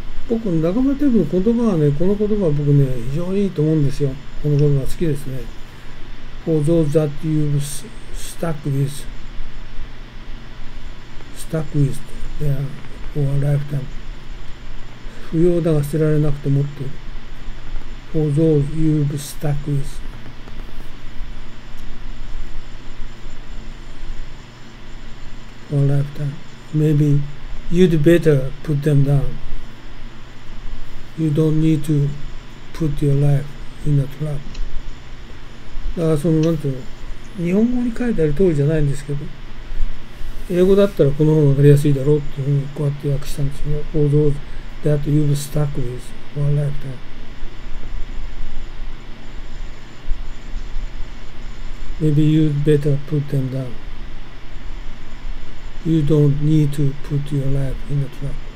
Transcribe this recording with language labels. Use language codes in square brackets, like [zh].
[ja] 僕、中村天風の言葉はね、この言葉は僕ね、非常にいいと思うんですよ。この言葉は好きですね。 [en] For those that you've stuck with there for a lifetime. [ja] 不要だが捨てられなくて持っている。 [en] For those you've stuck with. For a lifetime. Maybe you'd better put them down. You don't need to put your life in a trap. [ja] だからその、なんていうの、日本語に書いてある通りじゃないんですけど、英語だったらこの方が分かりやすいだろうっていうふうにこうやって訳したんですよね。 [en] For thoseThat you've stuck with for a lifetime. Maybe you'd better put them down. You don't need to put your life in a trap.